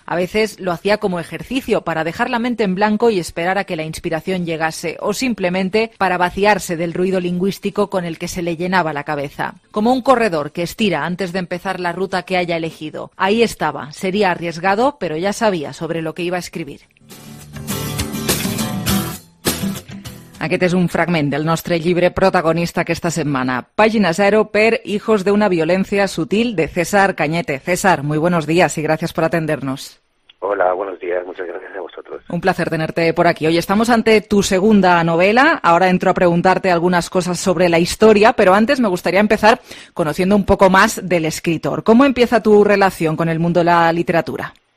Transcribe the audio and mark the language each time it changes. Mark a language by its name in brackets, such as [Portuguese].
[Spanish] A veces lo hacía como ejercicio, para dejar la mente en blanco y esperar a que la inspiración llegase, o simplemente para vaciarse del ruido lingüístico con el que se le llenaba la cabeza. Como un corredor que estira antes de empezar la ruta que haya elegido. Ahí estaba, sería arriesgado, pero ya sabía sobre lo que iba a escribir. [Catalan] Aquest és un fragment del nostre llibre protagonista aquesta setmana. Pàgina zero per Hijos de una violència sutil, de César Cañete. [Spanish] César, muy buenos días y gracias por atendernos. Hola, buenos días, muchas gracias a vosotros. Un placer tenerte por aquí. Hoy estamos ante tu segunda novela. Ahora entro a preguntarte algunas cosas sobre la historia, pero antes me gustaría empezar conociendo un poco más del escritor. ¿Cómo empieza tu relación con el mundo de la literatura?